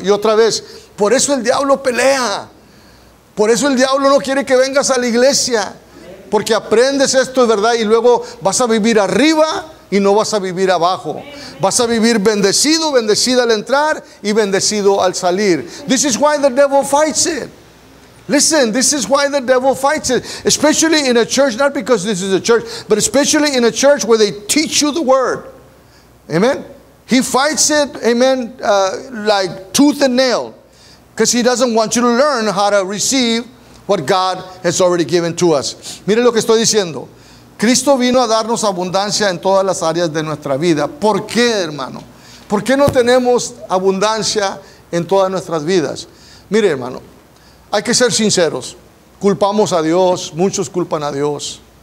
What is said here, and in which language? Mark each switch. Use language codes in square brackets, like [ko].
[es] Y otra vez, por eso el diablo pelea. Por eso el diablo no quiere que vengas a la iglesia. Porque aprendes esto, ¿verdad? Y luego vas a vivir arriba y no vas a vivir abajo. Vas a vivir bendecido, bendecida al entrar y bendecido al salir. [en] This is why the devil fights it. Listen, this is why the devil fights it. Especially in a church, not because this is a church, but especially in a church where they teach you the word. Amen. He fights it, amen, like tooth and nail. Because he doesn't want you to learn how to receive what God has already given to us. [es] Mire lo que estoy diciendo. Cristo vino a darnos abundancia en todas las áreas de nuestra vida. ¿Por qué, hermano? ¿Por qué no tenemos abundancia en todas nuestras vidas? Mire, hermano, hay que ser sinceros. Culpamos a Dios, muchos culpan a Dios.